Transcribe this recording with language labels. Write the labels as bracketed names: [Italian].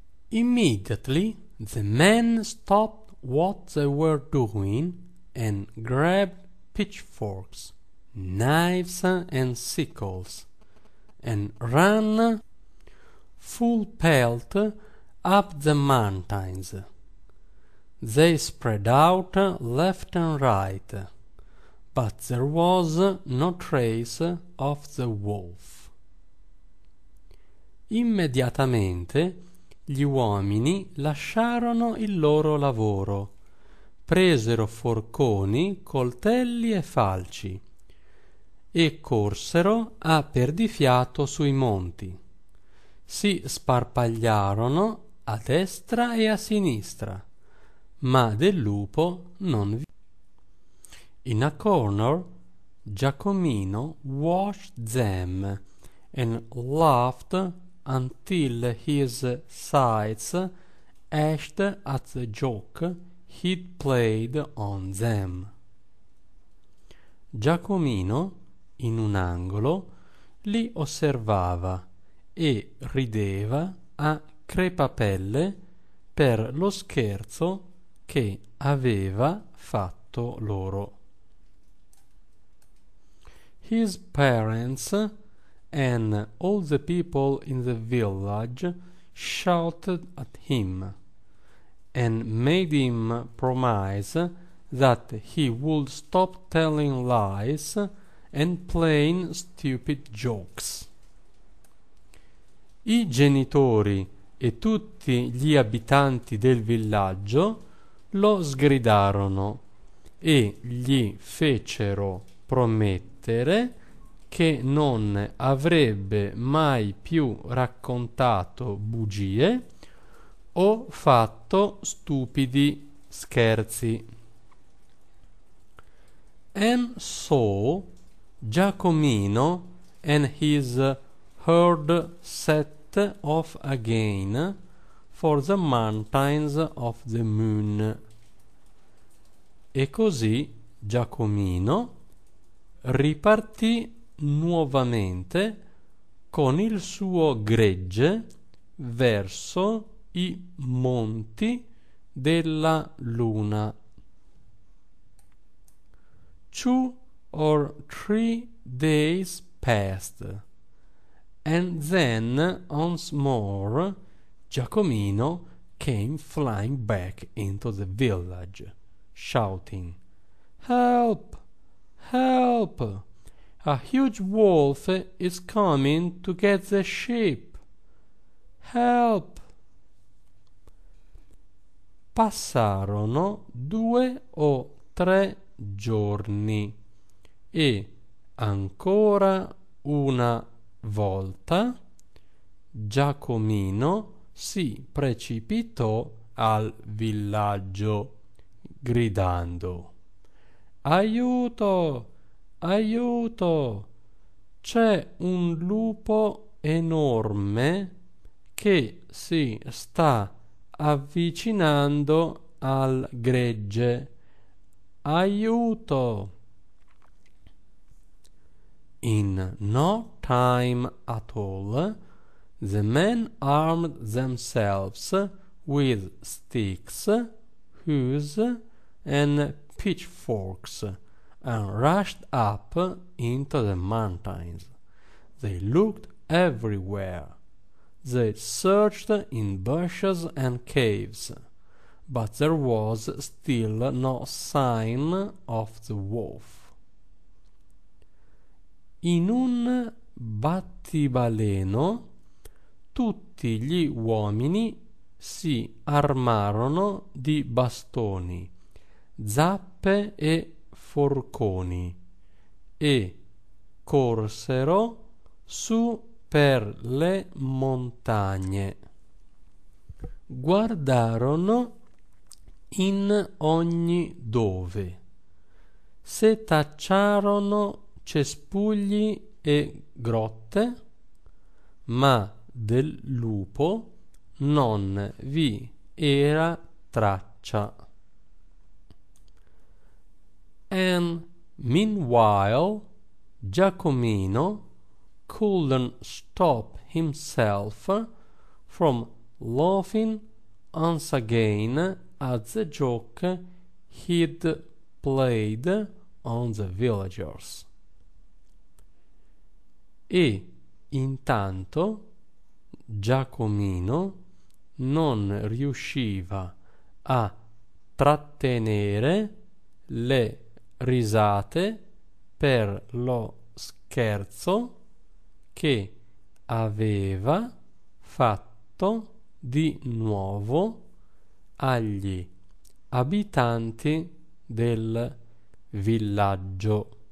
[English] Immediately the men stopped what they were doing and grabbed pitchforks, knives and sickles, and ran full pelt up the mountains. They spread out left and right, but there was no trace of the wolf. [Italian] Immediatamente gli uomini lasciarono il loro lavoro, presero forconi, coltelli e falci e corsero a perdifiato sui monti. Si sparpagliarono a destra e a sinistra, ma del lupo non vi. [English] In a corner, Giacomino watched them and laughed until his sides ached at the joke he'd played on them. [Italian] Giacomino, in un angolo, li osservava e rideva a crepapelle per lo scherzo che aveva fatto loro. [English] His parents and all the people in the village shouted at him and made him promise that he would stop telling lies and playing stupid jokes. [Italian] I genitori e tutti gli abitanti del villaggio lo sgridarono e gli fecero promettere che non avrebbe mai più raccontato bugie o fatto stupidi scherzi. [English] And so Giacomino and his herd set off again for the mountains of the moon. [Italian] E così Giacomino ripartì nuovamente con il suo gregge verso i monti della luna. [English] Two or three days passed, and then once more Giacomino came flying back into the village, shouting, "Help! Help! A huge wolf is coming to get the sheep! Help!" [Italian] Passarono due o tre giorni e ancora una volta Giacomino si precipitò al villaggio gridando: "Aiuto! Aiuto! C'è un lupo enorme che si sta avvicinando al gregge. Aiuto!" [English] In no time at all, the men armed themselves with sticks, hoes, and pitchforks, and rushed up into the mountains. They looked everywhere. They searched in bushes and caves, but there was still no sign of the wolf. [Italian] In un battibaleno, tutti gli uomini si armarono di bastoni, zappe e forconi e corsero su per le montagne. Guardarono in ogni dove, setacciarono cespugli e grotte, ma del lupo non vi era traccia. [English] And meanwhile, Giacomino couldn't stop himself from laughing once again at the joke he'd played on the villagers. [Italian] E intanto Giacomino non riusciva a trattenere le risate per lo scherzo che aveva fatto di nuovo agli abitanti del villaggio.